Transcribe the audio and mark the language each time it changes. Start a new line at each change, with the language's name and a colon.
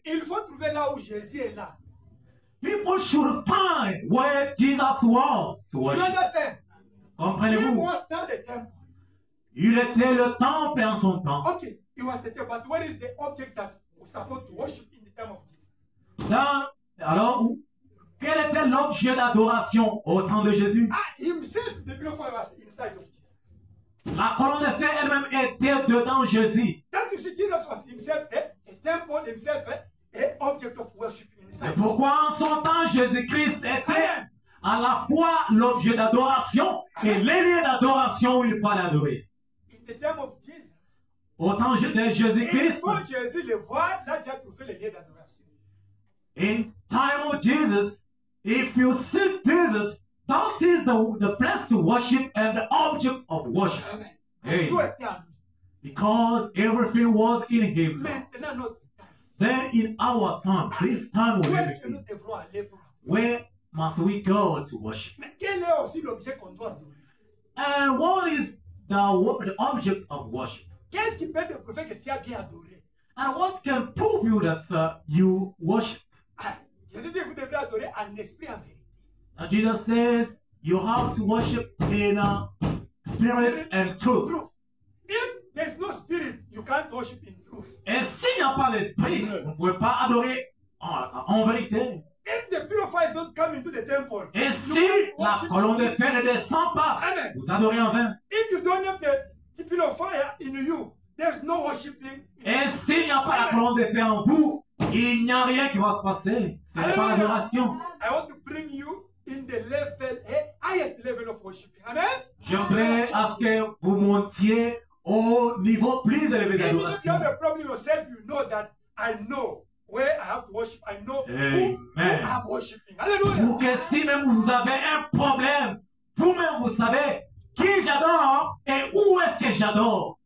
French: il faut trouver là où Jésus est là.
English: People should find where Jesus was to worship. You understand?
French: Comprenez-vous?
English: He was not the temple.
French: Il était le temple en son temps.
English: Okay, it was the temple. But what is the object that was supposed to worship in the time of Jesus?
French: Alors, quel était l'objet d'adoration au temps de Jésus?
English: Ah, himself, the pillar of fire was inside of Jesus.
French: La colonne de feu elle-même était dedans Jésus. Tant que Jésus
English: was himself, the temple himself, the object of worship inside.
French: C'est pourquoi en son temps Jésus-Christ était. Amen. À la fois l'objet d'adoration Amen. Et les lieux d'adoration où il fallait adorer.
English: In the time of Jesus,
French: au temps de Jésus-Christ, il faut Jésus le voir, là tu as trouvé les lieux d'adoration.
English: In time of Jesus, if you see Jesus, that is the place to worship and the object of worship. Amen. Hey. Because everything was in him. Then in our time, this time we live in, where must we go to worship?
French: Mais quel est aussi l'objet qu'on doit adorer?
English: And what is the object of worship?
French: Qu'est-ce qui peut te prouver que tu as bien adoré?
English: And what can prove you that you worship?
French: Jésus dit vous devrez adorer en esprit en vérité.
English: And Jesus says you have to worship in spirit and truth. Truth. If there's no spirit, you can't worship in truth.
French: Et s'il n'y a pas l'esprit, vous ne pouvez pas adorer en vérité.
English: If the pillar of fire is not coming to the temple,
French: et si la colonne de feu ne descend pas, vous adorez en vain.
English: If you don't have the pillar of fire in you, there's no worshiping.
French: Et s'il n'y a pas la colonne de feu en vous, Il n'y a rien qui va se passer. C'est pas l'adoration.
English: I want to bring you in the level, the highest level of worship. Amen.
French: Je voudrais à ce que vous montiez au niveau plus élevé d'adoration.
English: If you have a problem yourself, you know that I know where I have to worship. I know who I'm worshiping. Hallelujah.
French: Pour que si même vous avez un problème, vous-même vous savez qui j'adore et où est-ce que j'adore.